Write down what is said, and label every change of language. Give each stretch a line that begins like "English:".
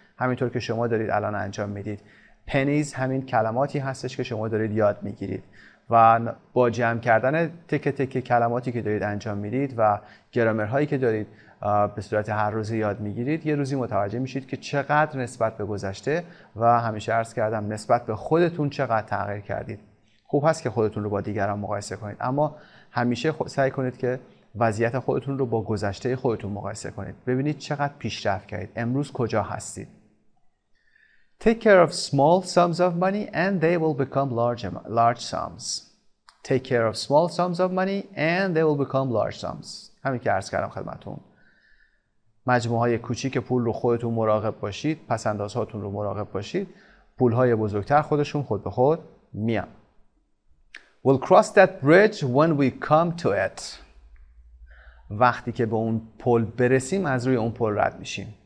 Persian: همینطور که شما دارید الان انجام میدید، پنیز همین کلماتی هستش که شما دارید یاد میگیرید و با جمع کردن تک تک کلماتی که دارید انجام میدید و گرامر هایی که دارید به صورت هر روز یاد میگیرید، یه روزی متوجه میشید که چقدر نسبت به گذشته و همیشه عرض کردم نسبت به خودتون چقدر تغییر کردید. خوب هست که خودتون رو با دیگران مقایسه کنید، اما همیشه سعی کنید که وضعیت خودتون رو با گذشته خودتون مقایسه کنید، ببینید چقدر پیشرفت کردید، امروز کجا هستید.
English: Take care of small sums of money and they will become large sums. Take care of small sums of money and they will become large sums.
Persian: همین که عرض کردم خدمتون. مجموعه های کوچیک پول رو خودتون مراقب باشید، پس انداز هاتون رو مراقب باشید، پول های بزرگتر خودشون خود به خود میان.
English: We'll cross that bridge when we come to it.
Persian: وقتی که به اون پل برسیم از روی اون پل رد میشیم.